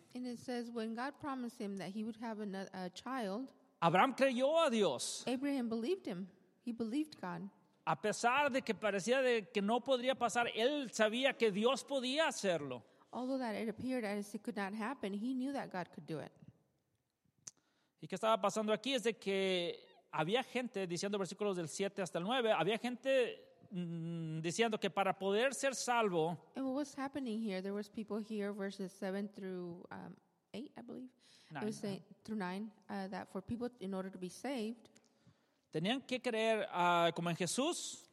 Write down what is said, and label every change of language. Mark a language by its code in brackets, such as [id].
[en] And it says when God promised him that he would have a child. [es] Abraham creyó a Dios. [en] Abraham believed him. He believed God. [es] A pesar de que parecía de que no podría pasar, él sabía que Dios podía hacerlo. [en] Although that it appeared as it could not happen, he knew that God could do it. [es] Y qué estaba pasando aquí es de que había gente diciendo versículos del 7 hasta el 9, había gente diciendo que para poder ser salvo. [en] And what was happening here, there was people here, verses 7 through 8, I believe. 9. It was 8 through 9, that for people in order to be saved. [es] Tenían que creer como en Jesús.